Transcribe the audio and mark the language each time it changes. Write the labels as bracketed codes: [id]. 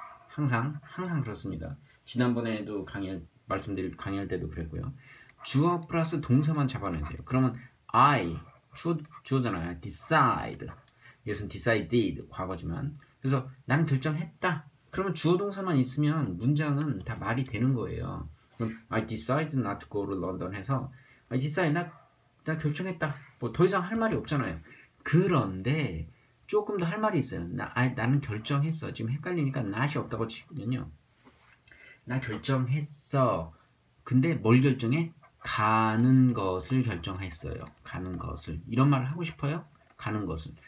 [ko] 항상 그렇습니다. 지난번에도 강의할 때도 그랬고요. 주어 플러스 동사만 잡아내세요. 그러면 I 주어잖아요. decide. 이것은 decided 과거지만. 그래서 나는 결정했다. 그러면 주어 동사만 있으면 문장은 다 말이 되는 거예요. 그럼 [en] I decide not to go to London [ko] 해서 [en] I decide [ko] 나 결정했다. 뭐더 이상 할 말이 없잖아요. 그런데 조금 더할 말이 있어요. 나는 결정했어. 지금 헷갈리니까 not이 없다고 치면요. 나 결정했어. 근데 뭘 결정해? 가는 것을 결정했어요. 가는 것을. 이런 말을 하고 싶어요? 가는 것을.